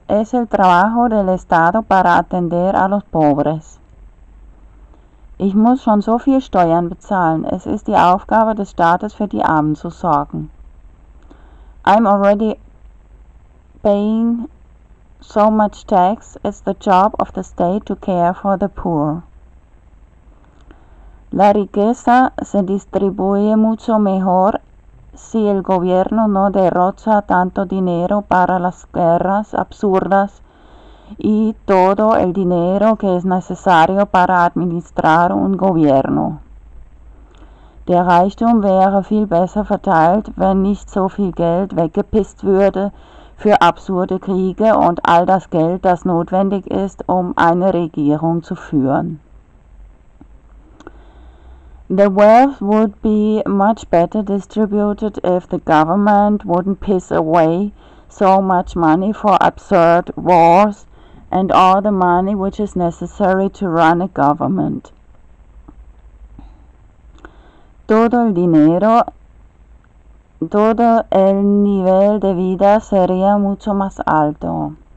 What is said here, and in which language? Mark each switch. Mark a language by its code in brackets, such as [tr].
[es] Es el trabajo del Estado para atender a los pobres. [de] Ich muss schon so viel Steuern bezahlen. Es ist die Aufgabe des Staates, für die Armen zu sorgen. [en] I'm already paying so much tax. It's the job of the state to care for the poor. [es] La riqueza se distribuye mucho mejor si el gobierno no derrocha tanto dinero para las guerras absurdas y todo el dinero que es necesario para administrar un gobierno. [de] Der Reichtum wäre viel besser verteilt, wenn nicht so viel Geld weggepisst würde für absurde Kriege und all das Geld, das notwendig ist, um eine Regierung zu führen. [en] The wealth would be much better distributed if the government wouldn't piss away so much money for absurd wars and all the money which is necessary to run a government. [es] Todo el nivel de vida sería mucho más alto.